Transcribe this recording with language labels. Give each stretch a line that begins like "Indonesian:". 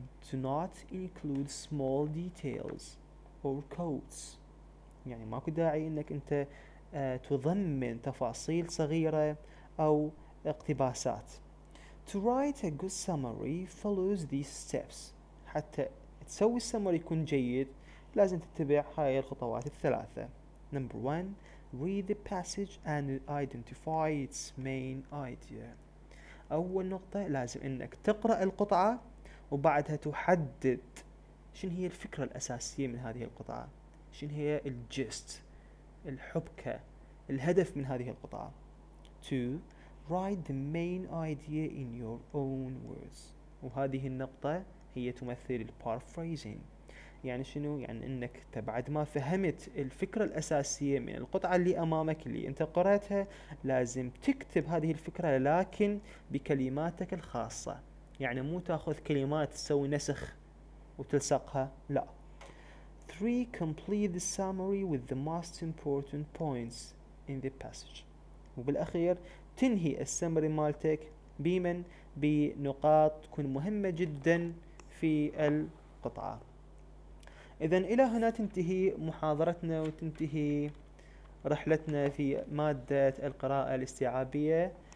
English: Do not include small details or quotes.
Arabic: يعني ماكو داعي إنك أنت تضمن تفاصيل صغيرة أو اقتباسات.
English: To write a good summary follows these steps.
Arabic: حتى تسوي السمري يكون جيد لازم تتبع هاي الخطوات الثلاثة.
English: Number one, read the passage and identify its main idea.
Arabic: أول نقطة لازم إنك تقرأ القطعة وبعدها تحدد شن هي الفكرة الأساسية من هذه القطعة، شن هي الجست الحبكة الهدف من هذه القطعة.
English: Two, write the main idea in your own words.
Arabic: وهذه النقطة هي تمثل paraphrasing. يعني شنو؟ يعني انك بعد ما فهمت الفكرة الأساسية من القطعة اللي أمامك اللي انت قرأتها لازم تكتب هذه الفكرة لكن بكلماتك الخاصة. يعني مو تأخذ كلمات تسوي نسخ وتلصقها، لا.
English: Three, complete the summary with the most important points in the passage.
Arabic: وبالأخير تنهي السمري مالتك بمن بنقاط تكون مهمة جدا في القطعة. إذن إلى هنا تنتهي محاضرتنا وتنتهي رحلتنا في مادة القراءة الاستيعابية.